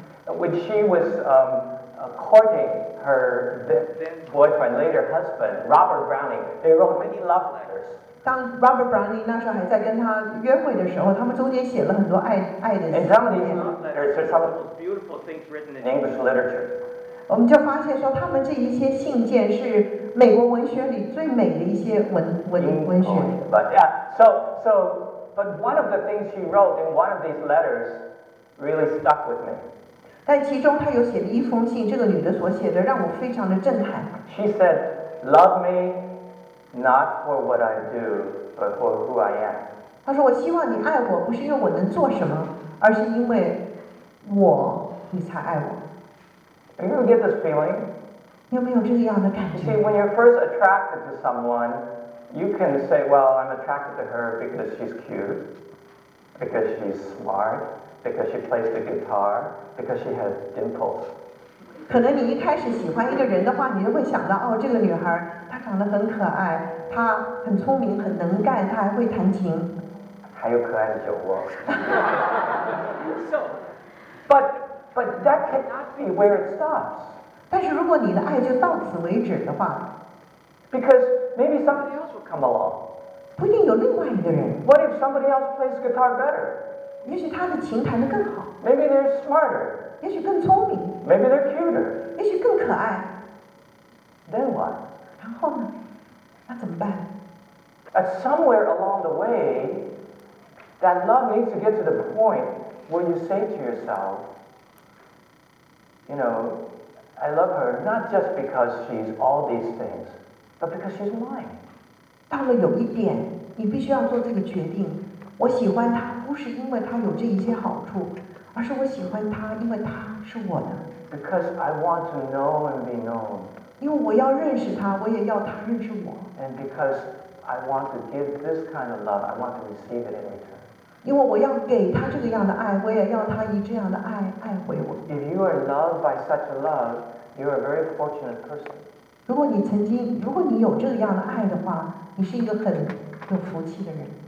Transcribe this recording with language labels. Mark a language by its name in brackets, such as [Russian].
[English] When she was courting her then boyfriend, later husband, Robert Browning, they wrote many love letters. [Chinese] 当 Robert Browning 那时候还在跟他约会的时候，他们中间写了很多爱的。 [English] And some of these love letters are some of the most beautiful things written in English literature. [Chinese] 我们就发现说，他们这一些信件是美国文学里最美的一些文学。 [English] But yeah, so one of the things she wrote in one of these letters really stuck with me. [Chinese] 但其中他有写了一封信，这个女的所写的让我非常的震撼。 [English] She said, "Love me not for what I do, but for who I am." [Chinese] 她说：“我希望你爱我，不是因为我能做什么，而是因为我，你才爱我。” [English] Do you get this feeling? [Chinese] 你有没有这样的感觉？ [English] You see, when you're first attracted to someone, you can say, "Well, I'm attracted to her because she's cute, because she's smart." Because she plays the guitar, because she has dimples. [Chinese] 可能你一开始喜欢一个人的话，你就会想到，哦，这个女孩她长得很可爱，她很聪明，很能干，她还会弹琴。还有可爱的酒窝。 [English] So, but that cannot be where it stops. [Chinese] 但是如果你的爱就到此为止的话 [English] ，Because maybe somebody else will come along. [Chinese] 不一定有另外一个人。 [English] What if somebody else plays guitar better? [Chinese] 也许他的琴弹得更好。 [English] Maybe they're smarter. [Chinese] 也许更聪明。 [English] Maybe they're cuter. [Chinese] 也许更可爱。 [English] Then what? [Chinese] 然后呢？那怎么办 [English] ？At somewhere along the way, that love needs to get to the point where you say to yourself, you know, I love her not just because she's all these things, but because she's mine. [Chinese] 到了有一点，你必须要做这个决定。我喜欢她不是因为她有这一些好处，而是我喜欢她，因为她是我的。 [English] Because I want to know and be known. [Chinese] 因为我要认识她，我也要她认识我。 [English] And because I want to give this kind of love, I want to receive it in return. [Chinese] 因为我要给她这个样的爱，我也要她以这样的爱爱回我。 [English] If you are loved by such a love, you are a very fortunate person. [Chinese] 如果你曾经，如果你有这个样的爱的话，你是一个很有福气的人。